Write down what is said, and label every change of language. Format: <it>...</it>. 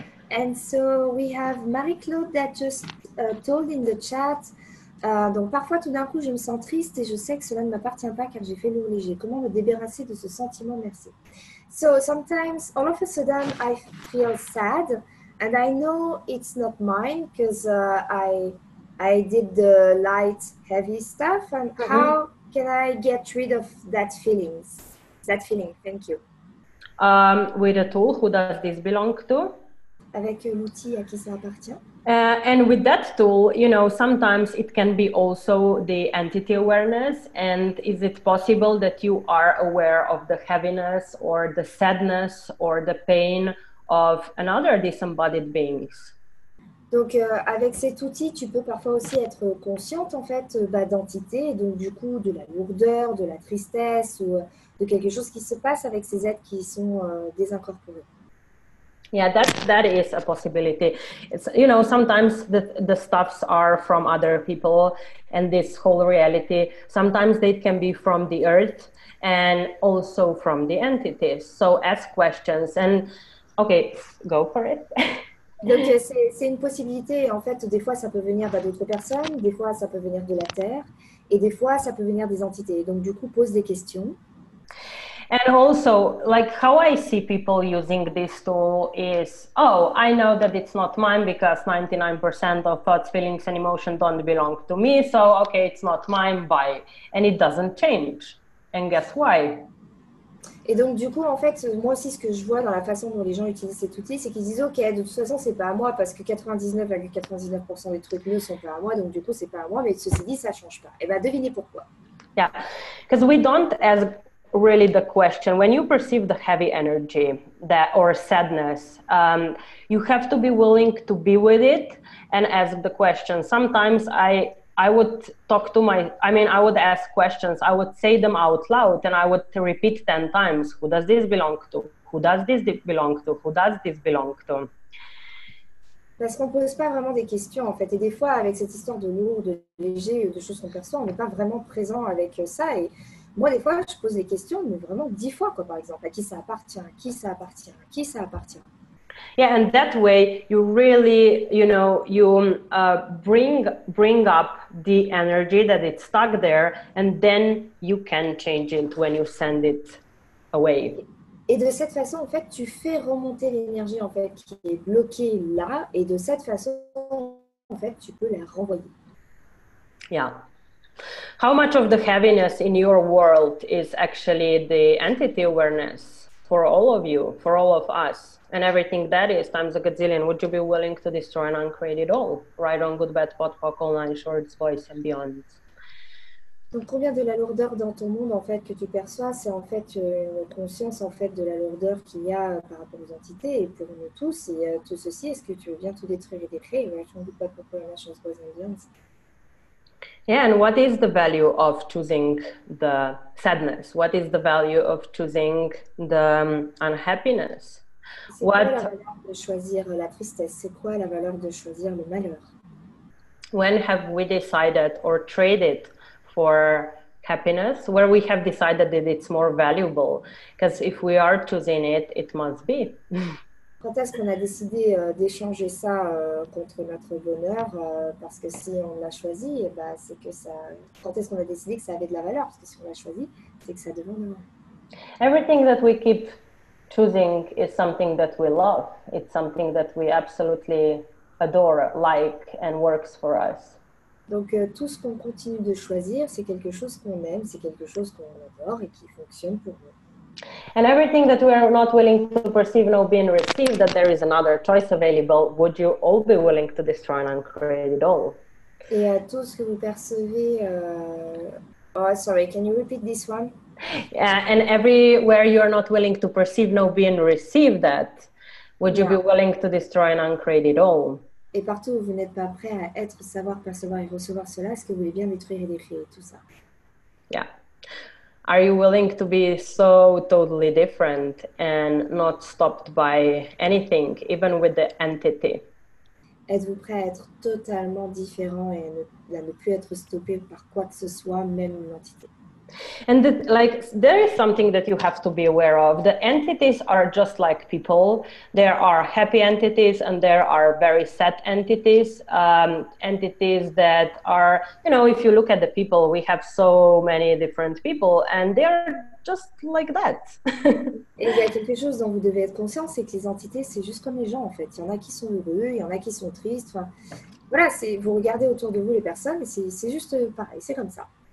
<en>And so we have Marie-Claude that just told in the chat.</en> <fr>Donc parfois tout d'un coup je me sens triste et je sais que cela ne m'appartient pas car j'ai fait le léger. Comment me débarrasser de ce sentiment? Merci.</fr> <en>So sometimes all of a sudden I feel sad And I know it's not mine because I did the light, heavy stuff. And mm-hmm. how can I get rid of that feelings? That feeling. Thank you. With a tool, who does this belong to?</en> <fr>Avec l'outil à qui ça appartient.</fr> <en>And with that tool, you know, sometimes it can be also the entity awareness. And is it possible that you are aware of the heaviness or the sadness or the pain of another disembodied beings?</en> <fr>Donc, avec cet outil, tu peux parfois aussi être consciente, en fait, d'entité, donc du coup, de la lourdeur, de la tristesse, ou de quelque chose qui se passe avec ces êtres qui sont désincorporés.</fr> <en>Yeah, that is a possibility. It's, you know, sometimes the stuffs are from other people and this whole reality. Sometimes they can be from the earth and also from the entities. So ask questions and okay, go for it.</en> <fr>Donc c'est une possibilité. En fait, des fois ça peut venir d'autres personnes, des fois ça peut venir de la terre, et des fois ça peut venir des entités. Donc du coup, pose des questions.</fr> <en>And also, like how I see people using this tool is, oh, I know that it's not mine because 99% of thoughts, feelings, and emotions don't belong to me. So, okay, it's not mine, bye. And it doesn't change. And guess why?</en> <fr>Et donc, du coup, en fait, moi aussi, ce que je vois dans la façon dont les gens utilisent cet outil, c'est qu'ils disent, ok, de toute façon, c'est pas à moi parce que 99,99% des trucs ne sont pas à moi. Donc, du coup, c'est pas à moi. Mais ceci dit, ça change pas. Et bien, devinez pourquoi.</fr> <en>Yeah, because we don't as really the question, when you perceive the heavy energy that or sadness, you have to be willing to be with it and ask the question. Sometimes I would talk to my, I mean, I would ask questions, I would say them out loud and I would repeat 10 times, who does this belong to? Who does this belong to? Who does this belong to?</en> <fr>Parce qu'on pose pas vraiment des questions, en fait. Et des fois, avec cette histoire de lourd, de léger, de choses qu'on perçoit, on n'est pas vraiment présent avec ça. Et moi, des fois, je pose des questions, mais vraiment 10 fois, quoi, par exemple. À qui ça appartient? Qui ça appartient? Qui ça appartient?</fr> <en>Yeah, and that way, you really, you know, you bring up the energy that it's stuck there, and then you can change it when you send it away.</en> <fr>Et de cette façon, en fait, tu fais remonter l'énergie, en fait, qui est bloquée là, et de cette façon, en fait, tu peux la renvoyer.</fr> <en>Yeah. How much of the heaviness in your world is actually the entity awareness for all of you, for all of us, and everything that is times a gazillion? Would you be willing to destroy and uncreate it all? Right on, good, bad, pot, pock, online, shorts, voice, and beyond.</en> <fr>Donc, combien de la lourdeur dans ton monde, en fait, que tu perçois, c'est en fait une conscience, en fait, de la lourdeur qu'il y a par rapport aux entités et pour nous tous, et tout ceci, est-ce que tu veux bien tout détruire et décréer?</fr> <en>Right on, good, bad, pot, pock, online, shorts, voice, and beyond. Yeah, and what is the value of choosing the sadness? What is the value of choosing the unhappiness?</en> <fr>What la valeur de choisir la tristesse? C'est quoi la valeur de choisir le malheur?</fr> <en>When have we decided or traded for happiness? Where we have decided that it's more valuable? Because if we are choosing it, it must be.</en> <fr>Quand est-ce qu'on a décidé d'échanger ça contre notre bonheur? Parce que si on l'a choisi, eh ben, c'est que ça. Quand est-ce qu'on a décidé que ça avait de la valeur? Parce que si on l'a choisi, c'est que ça devient normal.</fr> <en>Everything that we keep choosing is something that we love. It's something that we absolutely adore, like, and works for us.</en> <fr>Donc tout ce qu'on continue de choisir, c'est quelque chose qu'on aime, c'est quelque chose qu'on adore et qui fonctionne pour nous.</fr> <en>And everything that we are not willing to perceive, no being received, that there is another choice available, would you all be willing to destroy and uncreate it all?</en> <fr>Et tout ce que vous percevez,</fr> <en>oh, sorry, can you repeat this one? Yeah, and everywhere you are not willing to perceive, no being received, that, would you be willing to destroy and uncreate it all?</en> <fr>Et partout où vous n'êtes pas prêt à être, savoir, percevoir et recevoir cela, est-ce que vous voulez bien détruire et décréer tout ça?</fr> <en>Yeah. Are you willing to be so totally different and not stopped by anything, even with the entity?</en> <fr>Êtes-vous prêt à être totalement différent et à ne plus être stoppé par quoi que ce soit, même l'entité?</fr> <en>And the, like, there is something that you have to be aware of. The entities are just like people. There are happy entities and there are very sad entities. Entities that are, you know, if you look at the people, we have so many different people and they are just like that.</en> <fr>Et il y a quelque chose dont vous devez être conscient, c'est que les entités, c'est juste comme les gens, en fait. Il y en a qui sont heureux, il y en a qui sont tristes. Enfin, voilà, c'est, vous regardez autour de vous les personnes, c'est juste pareil, c'est comme ça.</fr>